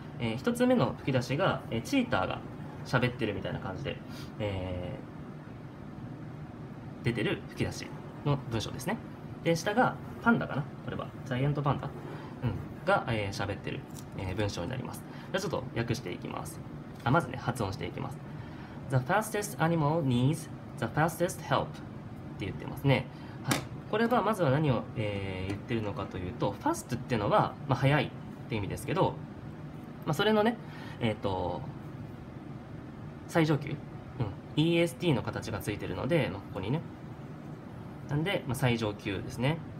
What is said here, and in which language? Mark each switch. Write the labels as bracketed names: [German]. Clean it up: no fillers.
[Japanese] 1つ目の吹き出しが、チーターが喋ってるみたいな感じで、出てる吹き出しの文章ですね。で下がパンダかな、これはジャイアントパンダ、うん、が喋ってる、文章になります。じゃあちょっと訳していきます。あ、まずね発音していきます。 [English] The fastest animal needs the fastest help [Japanese] って言ってますね。はい、これはまずは何を、言ってるのかというと、fast っていうのは、まあ、早いって意味ですけど、まあ、それのね、最上級、うん、EST の形がついてるので、まあ、ここにね、なんで、まあ、最上級ですね。